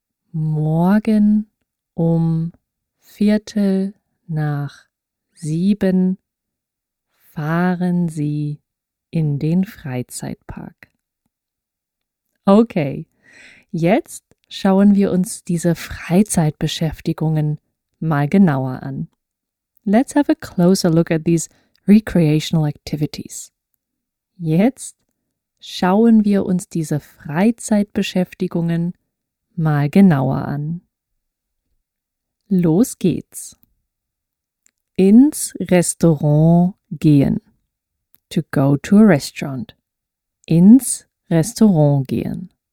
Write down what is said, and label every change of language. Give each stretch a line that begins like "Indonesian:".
German: Morgen um 7:15 fahren Sie in den Freizeitpark. Okay, jetzt schauen wir uns diese Freizeitbeschäftigungen mal genauer an.
English: Let's have a closer look at these recreational activities.
German: Jetzt schauen wir uns diese Freizeitbeschäftigungen mal genauer an. Los geht's. Ins Restaurant gehen.
English: To go to a restaurant.
German: Ins Restaurant gehen.